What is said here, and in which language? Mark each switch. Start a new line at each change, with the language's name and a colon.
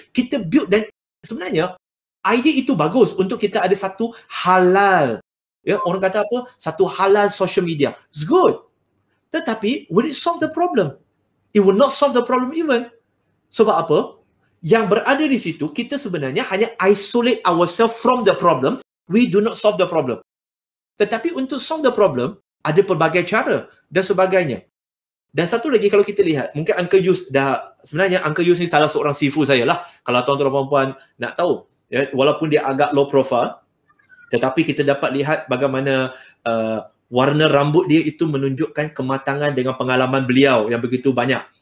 Malay: Kita build dan sebenarnya, idea itu bagus untuk kita ada satu halal. Ya, orang kata apa? Satu halal social media.
English: It's good.
Malay: Tetapi,
English: will it solve the problem? It will not solve the problem even.
Malay: Sebab apa? Yang berada di situ, kita sebenarnya hanya
English: isolate ourselves from the problem. We do not solve the problem.
Malay: Tetapi untuk
English: solve the problem,
Malay: ada pelbagai cara dan sebagainya. Dan satu lagi kalau kita lihat, mungkin Uncle Yus dah, sebenarnya Uncle Yus ni salah seorang sifu saya lah. Kalau tuan-tuan dan puan-puan nak tahu, ya, walaupun dia agak low profile, tetapi kita dapat lihat bagaimana warna rambut dia itu menunjukkan kematangan dengan pengalaman beliau yang begitu banyak.